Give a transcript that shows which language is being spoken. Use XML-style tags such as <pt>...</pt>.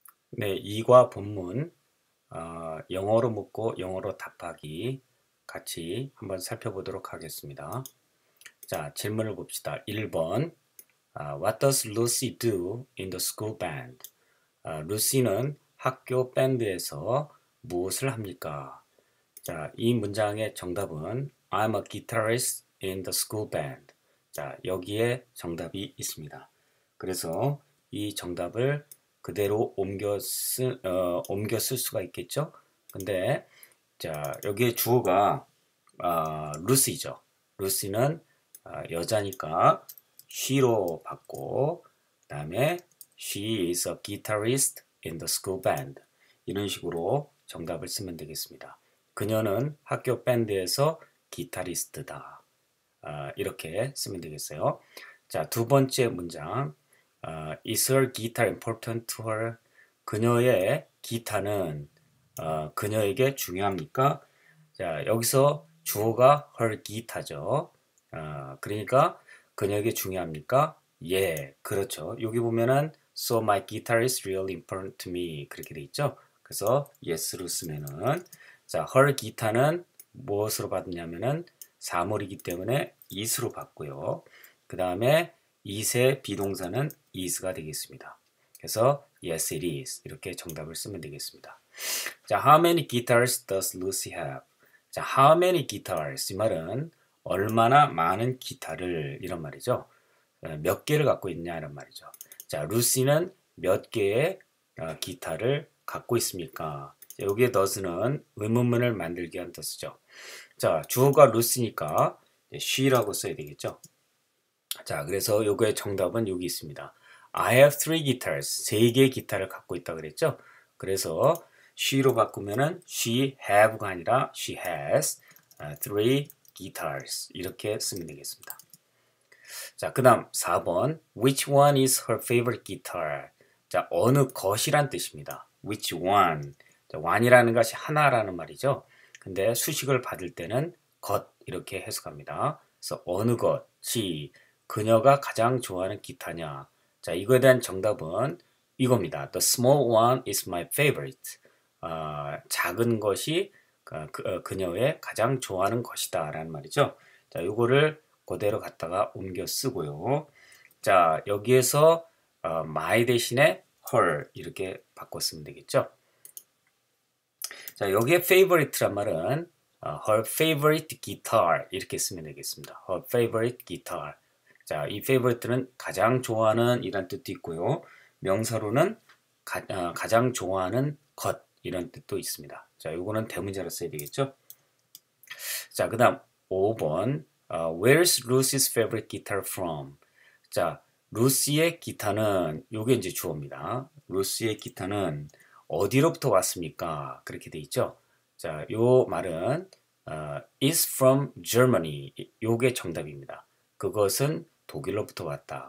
<ko>네, 2과 본문, 영어로 묻고 영어로 답하기 같이 한번 살펴보도록 하겠습니다. 자, 질문을 봅시다.</ko> <en>1번, What does Lucy do in the school band?</en> <ko>루시는 학교 밴드에서 무엇을 합니까? 자, 이 문장의 정답은</ko> <en>I'm a guitarist in the school band.</en> <ko>자, 여기에 정답이 있습니다. 그래서 이 정답을 그대로 옮겨 쓸 수가 있겠죠? 근데, 자, 여기에 주어가, 루시죠. 루시는 여자니까, she로 바꿔, 그 다음에,</ko> <en>she is a guitarist in the school band.</en> <ko>이런 식으로 정답을 쓰면 되겠습니다. 그녀는 학교 밴드에서 기타리스트다. 이렇게 쓰면 되겠어요. 자, 두 번째 문장.</ko> <en>Is her guitar important to her?</en> <ko>그녀의 기타는 그녀에게 중요합니까? 자, 여기서 주어가 her guitar죠. 그러니까 그녀에게 중요합니까? 예, 그렇죠. 여기 보면은</ko> <en>So my guitar is really important to me.</en> <ko>그렇게 돼 있죠. 그래서 yes로 쓰면은 자, her guitar는 무엇으로 받느냐면은 사물이기 때문에 is로 받고요. 그 다음에 is의 비동사는 is가 되겠습니다. 그래서</ko> <en>yes, it is</en> <ko>이렇게 정답을 쓰면 되겠습니다.</ko> <en>자, how many guitars does Lucy have?</en> <ko>자, how many guitars? 이 말은 얼마나 많은 기타를 이런 말이죠. 몇 개를 갖고 있냐 이런 말이죠. 자, 루시는 몇 개의 기타를 갖고 있습니까? 여기에 does는 의문문을 만들기 위한 does죠. 자, 주어가 루시니까 she라고 써야 되겠죠. 자, 그래서 요거의 정답은 여기 있습니다.</ko> <en>I have three guitars.</en> <ko>세 개의 기타를 갖고 있다 그랬죠? 그래서 she로 바꾸면은 she have가 아니라</ko> <en>she has three guitars.</en> <ko>이렇게 쓰면 되겠습니다. 자, 그다음 4번.</ko> <en>Which one is her favorite guitar?</en> <ko>자, 어느 것이란 뜻입니다.</ko> <en>Which one?</en> <ko>자, one이라는 것이 하나라는 말이죠. 근데 수식을 받을 때는 것 이렇게 해석합니다. 그래서 어느 것이 그녀가 가장 좋아하는 기타냐? 자, 이거에 대한 정답은 이겁니다.</ko> <en>The small one is my favorite.</en> <ko>작은 것이 그녀의 가장 좋아하는 것이다. 라는 말이죠. 자, 요거를 그대로 갖다가 옮겨 쓰고요. 자, 여기에서 my 대신에 her 이렇게 바꿨으면 되겠죠. 자, 여기에 favorite란 말은</ko> <en>her favorite guitar</en> <ko>이렇게 쓰면 되겠습니다.</ko> <en>her favorite guitar.</en> <ko>자, 이 favorite는 가장 좋아하는 이런 뜻도 있고요. 명사로는 가장 좋아하는 것 이런 뜻도 있습니다. 자, 요거는 대문자로 써야 되겠죠? 자, 그다음 5번.</ko> <en>Where's Lucy's favorite guitar from?</en> <ko>자, 루시의 기타는 요게 이제 주어입니다. 루시의 기타는 어디로부터 왔습니까? 그렇게 돼 있죠? 자, 요 말은</ko> <en>is from Germany.</en> <ko>요게 정답입니다. 그것은 독일로부터 왔다.</ko>